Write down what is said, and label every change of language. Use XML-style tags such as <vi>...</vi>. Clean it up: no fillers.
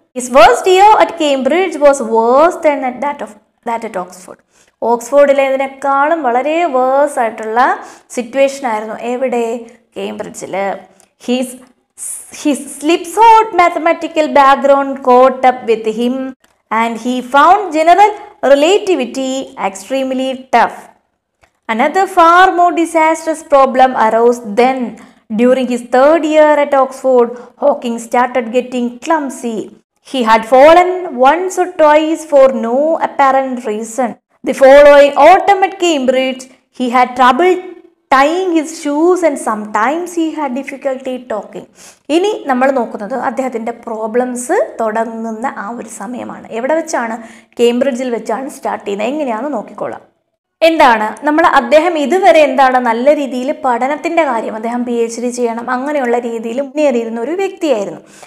<en>His first year at Cambridge was worse than that of at Oxford.</en> <ml>ഓക്സ്ഫോർഡിലേതിനേക്കാളും വളരെ verse ആയിട്ടുള്ള situation ആയിരുന്നു. എവിടെ? കേംബ്രിഡ്ജിൽ.</ml> <en>His slipshod mathematical background caught up with him and he found general relativity extremely tough. Another far more disastrous problem arose then. During his third year at Oxford, Hawking started getting clumsy. He had fallen once or twice for no apparent reason. The following autumn at Cambridge, he had trouble tying his shoes and sometimes he had difficulty talking.</en> <ml>ഇനി നമ്മൾ നോക്കുന്നത് അദ്ദേഹത്തിന്റെ problems തുടങ്ങുന്ന ആ ഒരു സമയമാണ്. എവിടെ വെച്ചാണ്? കേംബ്രിഡ്ജിൽ വെച്ചാണ് സ്റ്റാർട്ട് ചെയ്യുന്നത്. എങ്ങനെയാണ് നോക്കിക്കോളാം. എന്താണ് നമ്മൾ അദ്ദേഹം ഇതുവരെ എന്താണ് നല്ല രീതിയിൽ പഠനത്തിൻ്റെ കാര്യം, അദ്ദേഹം പി എച്ച് ഡി ചെയ്യണം അങ്ങനെയുള്ള രീതിയിൽ മുന്നേറിയിരുന്ന ഒരു വ്യക്തിയായിരുന്നു.</ml>